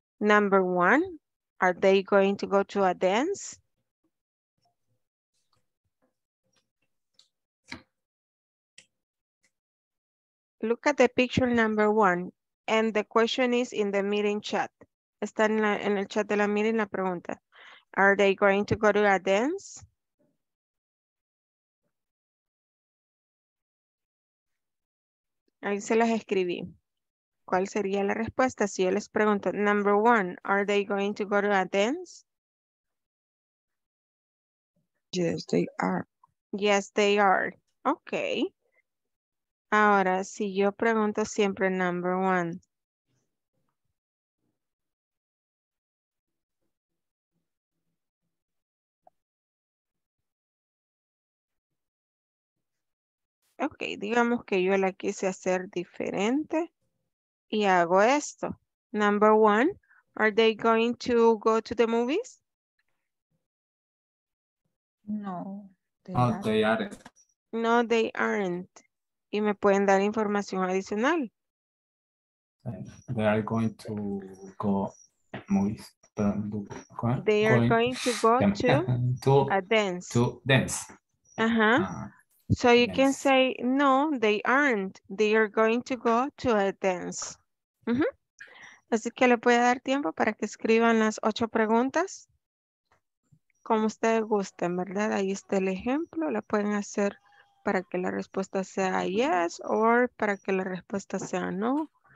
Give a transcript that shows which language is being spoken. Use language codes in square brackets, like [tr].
[en] Number one, are they going to go to a dance? Look at the picture number one. And the question is in the meeting chat. [es] Está en, en el chat de la meeting la pregunta. [en] Are they going to go to a dance? [es] Ahí se las escribí. ¿Cuál sería la respuesta si yo les pregunto? [en] Number one, are they going to go to a dance? Yes, they are. Yes, they are. Okay. [es] Ahora, si yo pregunto siempre [en] number one. [es] Ok, digamos que yo la quise hacer diferente y hago esto. [en] Number one, are they going to go to the movies? No. No, they aren't. [es] Y me pueden dar información adicional. [en] They are going to go movies. They are going to go to a dance. To dance. Ajá. So you can say, no, they aren't. They are going to go to a dance. Mm-hmm. [es] Así que le voy a dar tiempo para que escriban las 8 preguntas. Como ustedes gusten, ¿verdad? Ahí está el ejemplo. La pueden hacer para que la respuesta sea yes o para que la respuesta sea no.